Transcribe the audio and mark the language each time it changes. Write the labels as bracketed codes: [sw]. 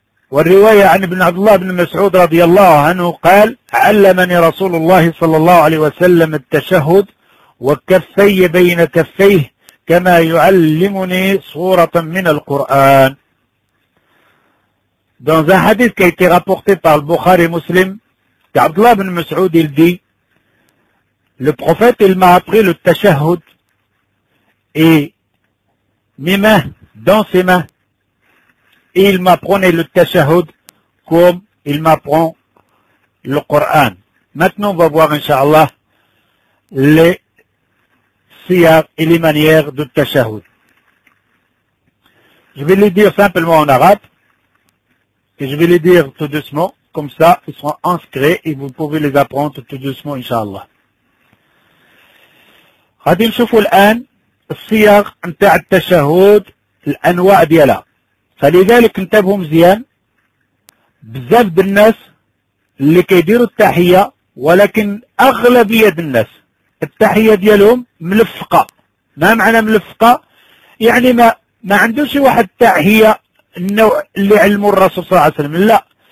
[ar] والرواية عن ابن عبد الله بن مسعود رضي الله عنه قال علمني رسول الله صلى الله عليه وسلم التشهد وكفي بين كفيه كما يعلمني صورة من القرآن dans un hadith qui a été rapporté par le Bukhari Muslim عبد الله بن مسعود il dit Le prophète, il m'a appris le tashahud et mes mains dans ses mains. [fr] Et il m'apprenait le tashahud comme il m'apprend le Coran. Maintenant, on va voir, inshallah, les siyar et les manières de tashahud. Je vais les dire simplement en arabe et je vais les dire tout doucement. Comme ça, ils seront inscrits et vous pouvez les apprendre tout doucement, inshallah. [ar] غادي نشوفوا الآن الصياغ نتاع التشهد الأنواع ديالها فلذلك انتبهوا مزيان بزاف الناس اللي كيديروا التحية ولكن أغلبية الناس التحية ديالهم ملفقة ما معنى ملفقة يعني ما عندوش واحد تحية النوع اللي علمه الرسول صلى الله عليه وسلم لا